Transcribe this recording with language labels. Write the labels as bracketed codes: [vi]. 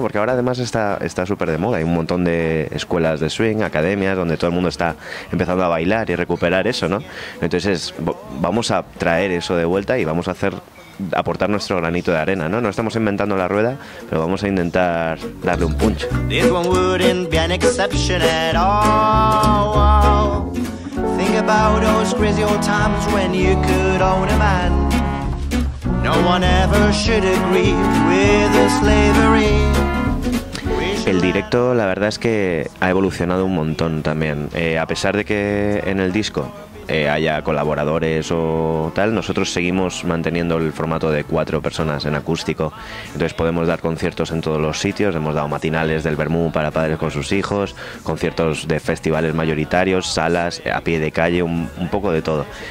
[es] Porque ahora además está súper de moda, hay un montón de escuelas de swing, academias, donde todo el mundo está empezando a bailar y recuperar eso, ¿no? Entonces vamos a traer eso de vuelta y vamos a aportar nuestro granito de arena, ¿no? No estamos inventando la rueda, pero vamos a intentar darle un punch. [en] This one wouldn't be an exception at all. Think about those crazy old times when you could own a man. No one ever should agree with the slavery. [es] El directo, la verdad es que ha evolucionado un montón también. A pesar de que en el disco haya colaboradores o tal, nosotros seguimos manteniendo el formato de cuatro personas en acústico. Entonces podemos dar conciertos en todos los sitios. Hemos dado matinales del Bermú para padres con sus hijos, conciertos de festivales mayoritarios, salas, a pie de calle, un poco de todo.